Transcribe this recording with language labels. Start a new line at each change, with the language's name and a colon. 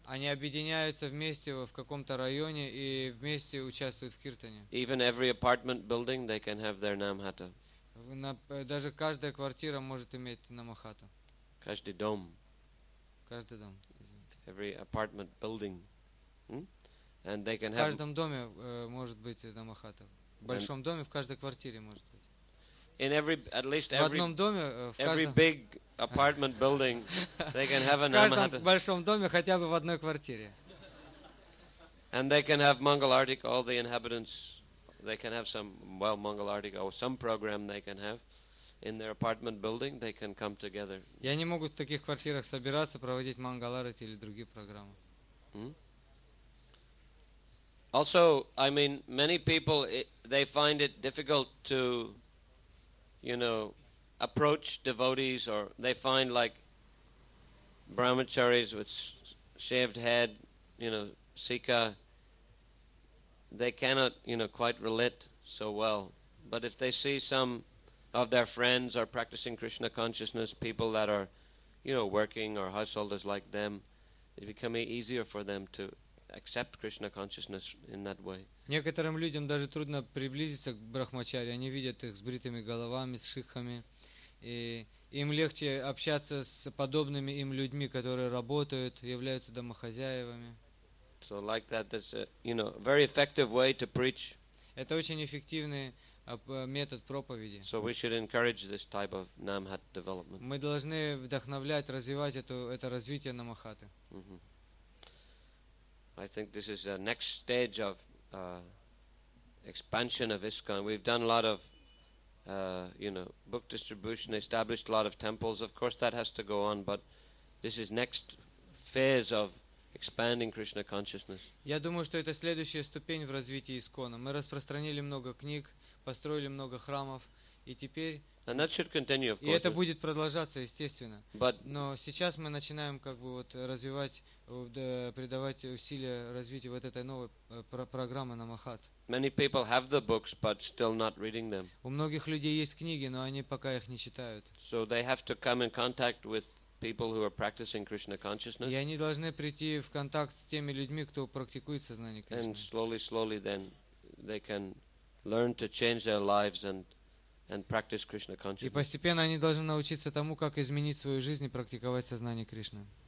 Russian: Они объединяются вместе в каком-то районе и вместе участвуют в киртане.
English: Even every apartment building they can have their namhata.
Russian: Даже каждая квартира может иметь намахата. Каждый дом. Каждый дом.
English: Every apartment building, and they can have.
Russian: В каждом доме может быть намахата. В большом доме в каждой квартире может быть.
English: In every, at least every.
Russian: В одном доме в каждом.
English: Every big apartment building, they can have a namahata.
Russian: В каждом большом доме хотя бы в одной квартире.
English: And they can have Mangalartic. All the inhabitants, they can have some well Mangalartic or some program they can have. In their apartment building, they can come together.
Russian: И они могут в таких квартирах собираться, проводить мангаларати или другие программы.
English: Also, I mean, many people they find it difficult to, you know, approach devotees, or they find like brahmacharis with shaved head, you know, sika. They cannot, you know, quite relate so well. But if they see some of their friends are practicing Krishna consciousness, people that are, you know, working or householders like them, it becomes easier for them to accept Krishna consciousness in that way.
Russian: Некоторым людям даже трудно приблизиться к брахмачари. Они видят их с бритыми головами, с шихами, и им легче общаться с подобными им людьми, которые работают, являются домохозяевами.
English: So like that, that's a, you know, very effective way to preach.
Russian: Это очень эффективный метод проповеди.
English: So we should encourage this type of namhat development.
Russian: Мы должны вдохновлять, развивать это развитие намахаты.
English: I think this is the next stage of expansion of ISKCON. We've done a lot of you know, book distribution, established a lot of temples. Of course that has to go on, but this is next phase of expanding Krishna consciousness.
Russian: Я думаю, что это следующая ступень в развитии ИСККОНа. Мы распространили много книг, построили много храмов, и теперь,
English: and that should continue, of course.
Russian: И это будет продолжаться, естественно. Но сейчас мы начинаем как бы вот развивать, придавать усилия развитию вот этой новой программы намахат.
English: Many people have the books, but still not reading them.
Russian: У многих людей есть книги, но они пока их не читают.
English: So they have to come in contact with people who are practicing Krishna consciousness.
Russian: И они должны прийти в контакт с теми людьми, кто практикует сознание Кришны.
English: And slowly then they can learn to change their lives and practice Krishna consciousness.
Russian: И постепенно они должны научиться тому, как изменить свою жизнь и практиковать сознание Кришны.